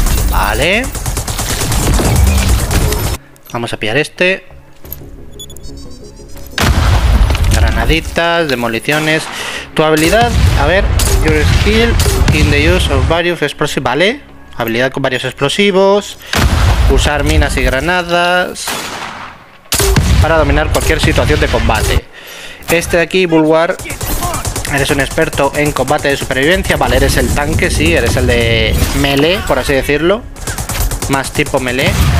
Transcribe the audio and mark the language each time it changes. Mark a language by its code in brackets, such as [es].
[es] Vale. Vamos a pillar este. Granaditas, demoliciones. Tu habilidad, a ver. [en] Your skill in the use of various explosives. [es] Vale, habilidad con varios explosivos. Usar minas y granadas para dominar cualquier situación de combate. Este de aquí, Bulwark. Eres un experto en combate de supervivencia. Vale, eres el tanque, sí. Eres el de melee, por así decirlo. Más tipo melee.